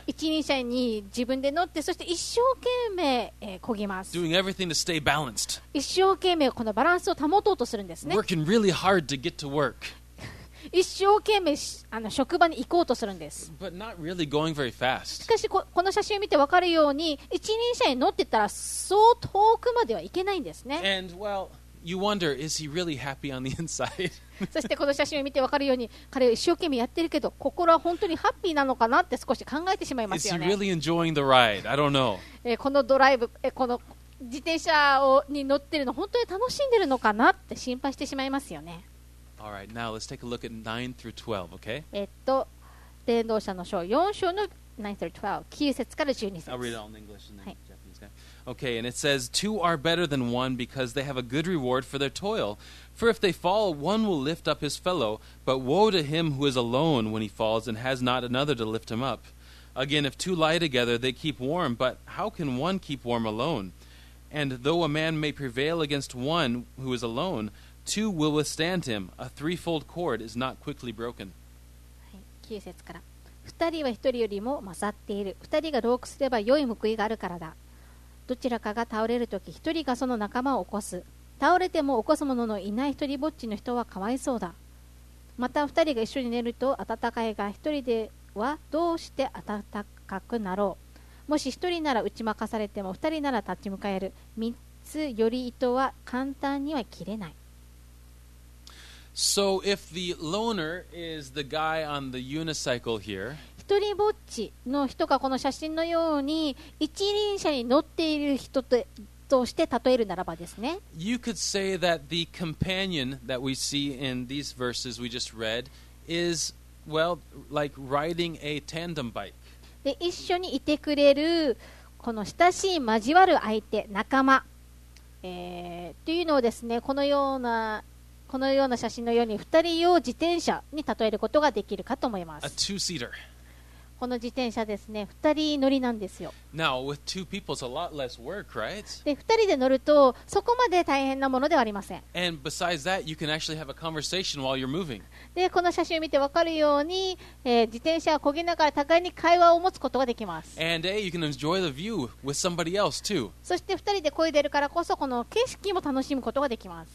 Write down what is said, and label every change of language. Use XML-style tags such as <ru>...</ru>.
<ja>一人車に自分で乗って、そして一生懸命漕ぎます。</ja> <en>Doing everything to stay balanced.</en> <ja>一生懸命このバランスを保とうとするんですね。</ja> <en>Working really hard to get to work.</en> <ja>一生懸命あの職場に行こうとするんです。</ja> <en>But not really going very fast.</en> <ja>しかし この写真を見て分かるように、一人車に乗ってたらそう遠くまでは行けないんですね。</ja> <en>And well,You wonder, is he really happy on the inside?</en> <ja>そしてこの写真を見て分かるように、彼は一生懸命やってるけど心は本当にハッピーなのかなって少し考えてしまいますよね。</ja> <en>Is he really enjoying the ride? I don't know.</en> <ja>このドライブ、この自転車をに乗ってるの本当に楽しんでるのかなって心配してしまいますよね。</ja> <en>All right, now let's take a look at 9 through 12, okay?</en> <ja>伝道者の書4章の</ja> <en>9 through 12、</en> <ja>9節から12節。</ja> <en>I'll read it all in English and then Japanese. Okay, and it says, Two are better than one because they have a good reward for their toil. For if they fall, one will lift up his fellow, but woe to him who is alone when he falls and has not another to lift him up. Again, if two lie together, they keep warm, but how can one keep warm alone? And though a man may prevail against one who is alone, two will withstand him. A threefold cord is not quickly broken.</en> <ja>9節から。二人は一人よりも勝っている。二人が同居すれば良い報いがあるからだ。どちらかが倒れるとき、一人がその仲間を起こす。倒れても起こす者のいない一人ぼっちの人はかわいそうだ。また二人が一緒に寝ると暖かいが、一人ではどうして暖かくなろう。もし一人なら打ち負かされても、二人なら立ち向かえる。三つより糸は簡単には切れない。</ja> <en>So if the loner is the guy on the unicycle here,</en> <ja>一人ぼっちの人がこの写真のように一輪車に乗っている人 として例えるならばですね、</ja> <en>You could say that the companion that we see in these verses we just read is, well, like riding a tandem bike.</en> <ja>で、一緒にいてくれるこの親しい交わる相手、仲間、というのをですね、このような写真のように二人用自転車に例えることができるかと思います。</ja> <en>A two-seater.</en> <ja>この自転車ですね、二人乗りなんですよ。</ja> <en>Now, with two people, it's a lot less work, right?</en> <ja>で、二人で乗るとそこまで大変なものではありません。</ja> <en>And besides that, you can actually have a conversation while you're moving.</en> <ja>で、この写真を見て分かるように、自転車を漕ぎながら互いに会話を持つことができます。</ja> <en>And A, you can enjoy the view with somebody else too.</en> <ja>そして二人で漕いでるからこそこの景色も楽しむことができます。</ja>